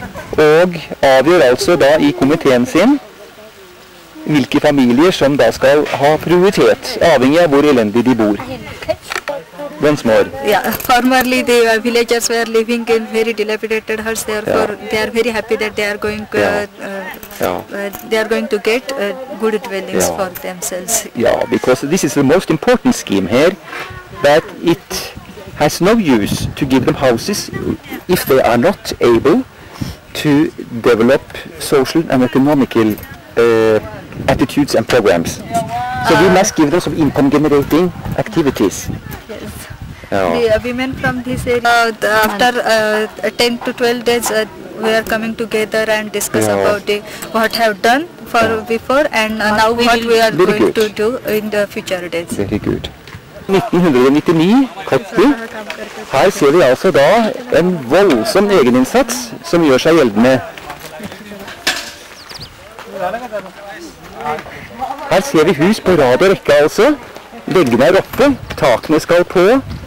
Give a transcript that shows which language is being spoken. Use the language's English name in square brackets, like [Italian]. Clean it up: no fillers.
[Norwegian] Og avgjør altså da i komiteen sin hvilke familier som da skal ha prioritet, avhengig av hvor elendig de bor. [English] Once more. Formerly the villagers were living in very dilapidated huts. Therefore, they are very happy that they are going. They are going to get good dwellings for themselves. Because this is the most important scheme here, that it has no use to give them houses if they are not able to develop social and economical attitudes and programs. So we must give them some income-generating activities. The women from this area, after 10 to 12 days, we are coming together and discuss about what have done for before and now what we are going to do in the future days. Very good. 1999, Kotti. [Norwegian] Her ser vi altså da en voldsom egeninnsats som gjør seg gjeldende. Her ser vi hus på rad og rekke altså. Veggene er oppe, takene skal på.